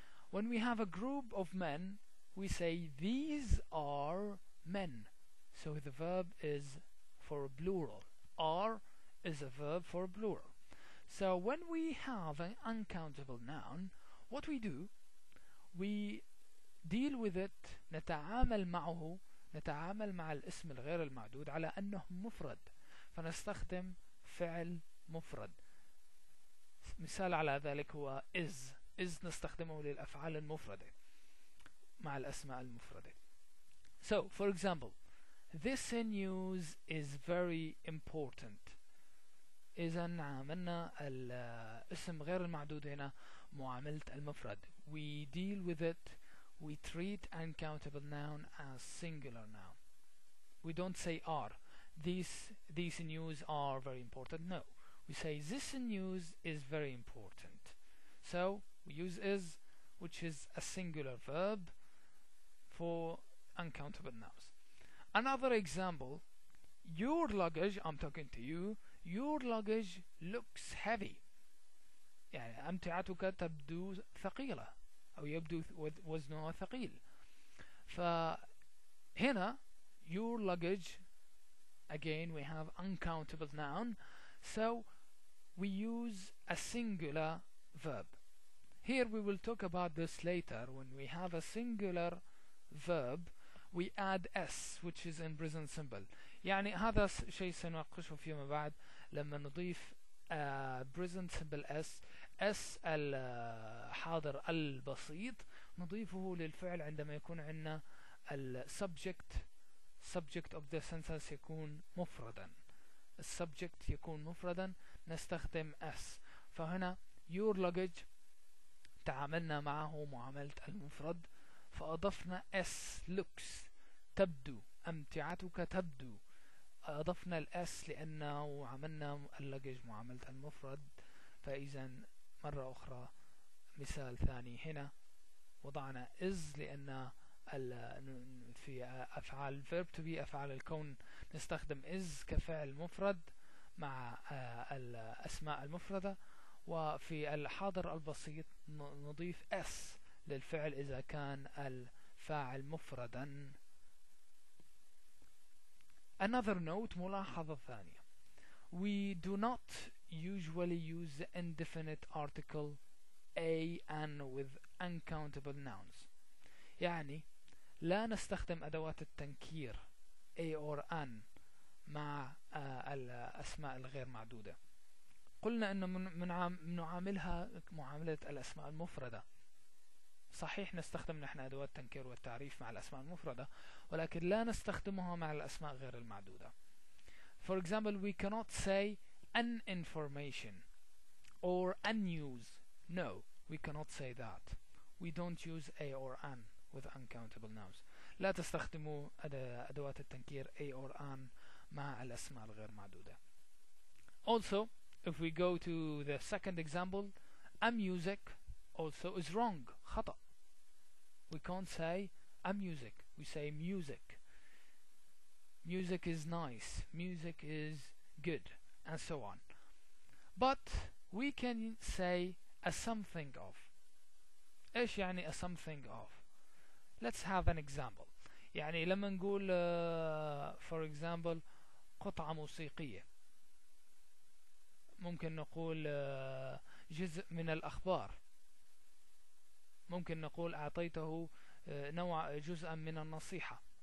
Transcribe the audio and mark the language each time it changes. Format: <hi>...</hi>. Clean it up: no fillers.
<en>When we have a group of men, we say these are men. So the verb is for plural. Are is a verb for plural. So when we have an uncountable noun, what we do? We deal with it,</en> <ar>نتعامل معه, نتعامل مع الاسم الغير المعدود على أنه مفرد. فنستخدم فعل مفرد. مثال على ذلك هو is نستخدمه للأفعال المفردة مع الأسماء المفردة.</ar> <en>So for example, this news is very important.</en> <ar>إذن عملنا الاسم غير المعدود هنا معاملة المفرد.</ar> <en>We deal with it. We treat uncountable noun as singular noun. We don't say are. These news are very important. No. We say this news is very important. So we use is, which is a singular verb for uncountable nouns. Another example, your luggage, I'm talking to you, your luggage looks heavy.</en> <ar>يعني أمتعتك تبدو ثقيلة أو يبدو وزنها ثقيل. فهنا</ar> <en>your luggage,</en> <ar>again we have uncountable noun, so we use a singular verb.</ar> <en>Here we will talk about this later. When we have a singular verb, we add s, which is in present simple.</en> <ar>يعني هذا شيء سنناقشه فيما بعد لما نضيف present simple s الحاضر البسيط نضيفه للفعل عندما يكون عندنا</ar> <en>subject of the sentence</en> <ar>يكون مفردا. السبجكت يكون مفردا نستخدم s. فهنا</ar> <en>your luggage</en> <ar>تعاملنا معه معاملة المفرد فأضفنا s looks تبدو أمتعتك تبدو أضفنا الاس لأنه عملنا اللجج معاملة المفرد. فإذا مرة أخرى مثال ثاني هنا وضعنا is لأن في أفعال verb to be أفعال الكون نستخدم is كفعل مفرد مع الأسماء المفردة وفي الحاضر البسيط نضيف s للفعل إذا كان الفاعل مفردا.</ar> <en>Another note,</en> <ar>ملاحظة ثانية.</ar> <en>We do not usually use the indefinite article a and with uncountable nouns.</en> <ar>يعني لا نستخدم أدوات التنكير a or an مع الأسماء الغير معدودة. قلنا أنه نعاملها معاملة الأسماء المفردة. صحيح نستخدم نحن أدوات التنكير والتعريف مع الأسماء المفردة ولكن لا نستخدمها مع الأسماء غير المعدودة.</ar> <en>For example, we cannot say an information or a news. No, we cannot say that. We don't use a or an with uncountable nouns.</en> <ar>لا تستخدموا أدوات التنكير a or an مع الأسماء الغير معدودة.</ar> <en>Also, if we go to the second example, a music also is wrong. خطأ. We can't say a music. We say music. Music is nice. Music is good. And so on. But we can say a something of.</en> <ar>إيش يعني</ar> <en>a something of? Let's have an example.</en> <ar>يعني لما نقول</ar> <en>for example</en> <ar>قطعة موسيقية ممكن نقول جزء من الأخبار، ممكن نقول أعطيته نوع جزء من النصيحة.</ar>